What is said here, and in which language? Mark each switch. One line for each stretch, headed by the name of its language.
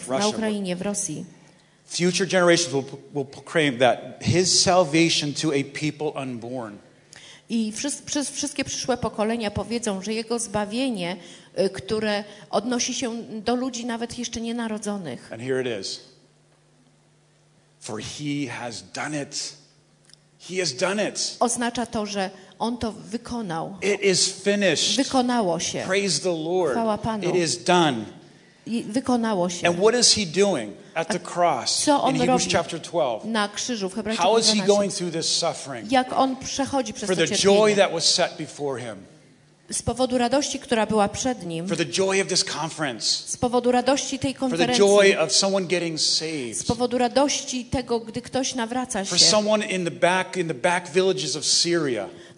English: Ukraine,
Polish: na Ukrainie, w Rosji.
English: Future generations will proclaim that his salvation to a people unborn.
Polish: I wszystkie przyszłe pokolenia powiedzą, że jego zbawienie, które odnosi się do ludzi nawet jeszcze nienarodzonych.
English: And here it is. For he has done it. He has done it.
Polish: Oznacza to, że on to wykonał.
English: It is finished.
Polish: Wykonało się.
English: Praise the Lord.
Polish: Chwała Panu.
English: It is done.
Polish: Wykonało się.
English: And what is he doing at the cross in Hebrews chapter 12?
Polish: Na krzyżu, w Hebrajczyku
English: 12. How is he going through this suffering?
Polish: Jak on przechodzi przez to cierpienie?
English: For the joy that was set before him.
Polish: Z powodu radości, która była przed nim.
English: For the joy of this conference.
Polish: Z powodu radości tej konferencji.
English: For the joy of someone getting saved.
Polish: Z powodu radości tego, gdy ktoś nawraca się.
English: For someone in the back villages of Syria.